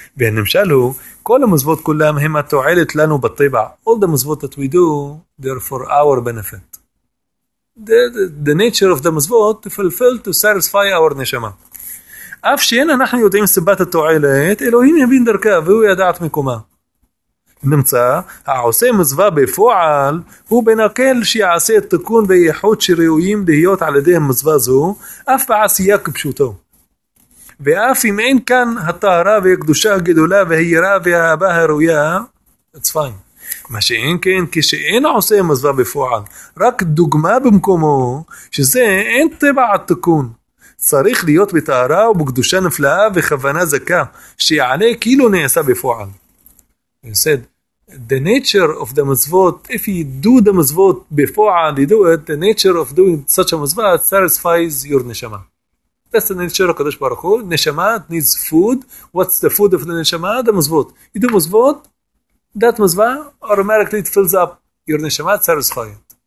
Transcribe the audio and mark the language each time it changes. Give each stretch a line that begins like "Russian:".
Hebrew: והנמשל הוא, כל המזוות כולם הם התועלת לנו בטבע.
English: All the mazvot that we do, they're for our benefit. The nature of the mazvot to fulfill, to satisfy our neshama.
Hebrew: אף שאין אנחנו יודעים סיבת התועלת, אלוהים יבין דרכה והוא ידעת מקומה. נמצא, העושה מזווה בפועל הוא בן הכל שיעשה את תיקון ויחוד שראויים להיות על ידי המזווה זו, אף בעשייה כפשוטו. ואף אם אין כאן הטהרה והקדושה הגדולה והיראה והאהבה הראויה,
English: it's fine.
Hebrew: מה שאין כן, כשאין עושה מזווה בפועל, רק דוגמה במקומו, שזה אין טבע התיקון. צריך להיות בטהרה ובקדושה נפלאה וכוונה זכה, שיעלה כאילו נעשה בפועל.
English: He said, the nature of the mitzvot, if you do the mitzvot before and you do it, the nature of doing such a mitzvah satisfies your neshama. That's the nature of Kadosh Baruch Hu. Neshama needs food. What's the food of the neshama? The mitzvot. You do mitzvot, that mitzvah automatically it fills up your neshama, satisfies it.